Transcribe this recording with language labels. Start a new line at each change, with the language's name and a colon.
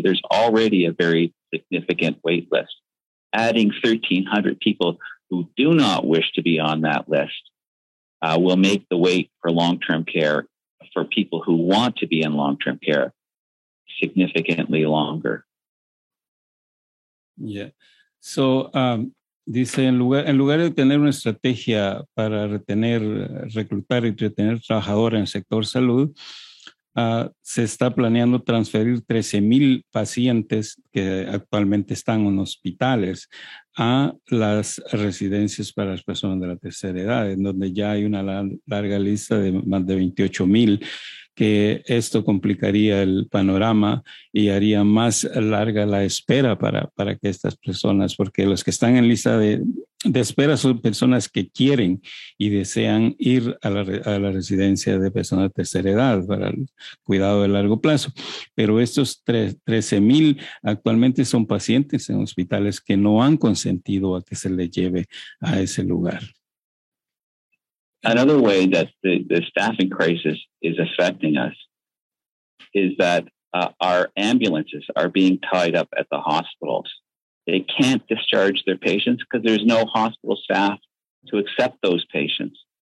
English: There's already a very significant wait list. Adding 1,300 people who do not wish to be on that list will make the wait for long-term care for people who want to be in long-term care significantly longer. Yeah.
Spanish: So, dice, en lugar de tener una estrategia para retener, reclutar y retener trabajadores en el sector salud, se está planeando transferir 13,000 pacientes que actualmente están en hospitales a las residencias para las personas de la tercera edad, en donde ya hay una larga lista de más de 28 mil, que esto complicaría el panorama y haría más larga la espera para que estas personas, porque los que están en lista de espera son personas que quieren y desean ir a la residencia de personas de tercera edad para el cuidado de largo plazo. Pero estos 13,000 actualmente son pacientes en hospitales que no han consentido a que se les lleve a ese lugar.
English: Another way that the staffing crisis is affecting us is that our ambulances are being tied up at the hospitals. They can't discharge their patients because there's no hospital staff to accept those patients.